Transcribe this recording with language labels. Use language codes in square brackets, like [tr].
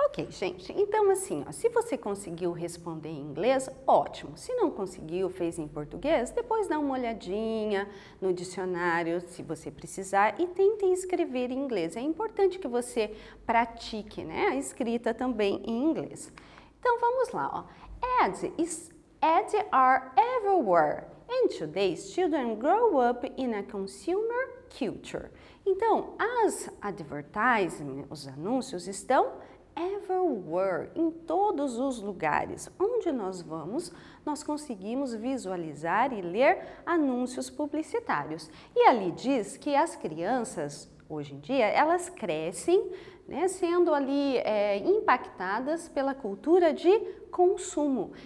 [pt] gente. Então, assim, ó, se você conseguiu responder em inglês, ótimo. Se não conseguiu, fez em português, depois dá uma olhadinha no dicionário, se você precisar, e tente escrever em inglês. É importante que você pratique, né, a escrita também em inglês. Então, vamos lá, ó. [en] Ads are everywhere. And today, children grow up in a consumer culture. [pt] Então, as advertisements, os anúncios, estão everywhere, em todos os lugares. Onde nós vamos, nós conseguimos visualizar e ler anúncios publicitários. E ali diz que as crianças, hoje em dia, elas crescem, né, sendo ali impactadas pela cultura de consumo.